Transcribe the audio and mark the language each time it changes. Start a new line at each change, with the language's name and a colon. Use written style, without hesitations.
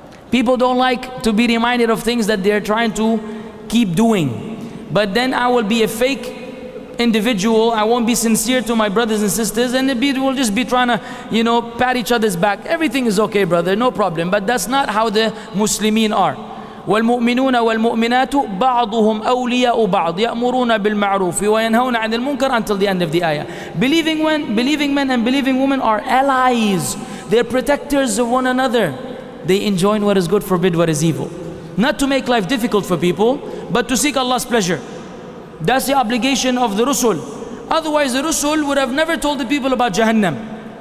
English: People don't like to be reminded of things that they're trying to keep doing. But then I will be a fake individual, I won't be sincere to my brothers and sisters, and we'll just be trying to, you know, pat each other's back. Everything is okay, brother, no problem. But that's not how the Muslimin are.
Arabic: وَالْمُؤْمِنُونَ وَالْمُؤْمِنَاتُ بَعْضُهُمْ أَوْلِيَاءُ بَعْضٍ يَأْمُرُونَ بِالْمَعْرُوفِ وَيَنْهَوْنَ عَنِ الْمُنْكَرِ
English: until the end of the ayah. Believing men and believing women are allies. They're protectors of one another. They enjoin what is good, forbid what is evil. Not to make life difficult for people, but to seek Allah's pleasure. That's the obligation of the Rusul. Otherwise, the Rusul would have never told the people about Jahannam.